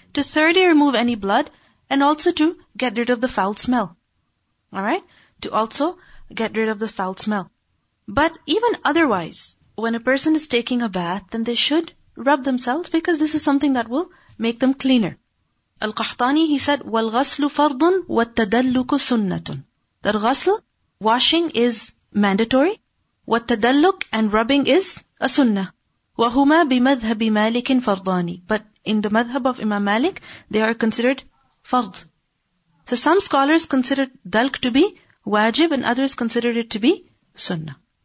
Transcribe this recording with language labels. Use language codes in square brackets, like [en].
[en] To thoroughly remove any blood and also to get rid of the foul smell. Alright? To also get rid of the foul smell. But even otherwise, when a person is taking a bath, then they should rub themselves because this is something that will make them cleaner. Al-Qahtani, he said, [ar] وَالْغَسْلُ فَرْضٌ وَالتَّدَلُّكُ سُنَّةٌ. [en] That ghasl, washing, is mandatory. [ar] وَالتَّدَلُّكُ, [en] and rubbing, is a sunnah. [ar] وَهُمَا بِمَذْهَبِ مَالِكٍ فَرْضَانِ. [en] But in the madhab of Imam Malik, they are considered fard. So some scholars consider dalq to be wajib and others consider it to be sunnah.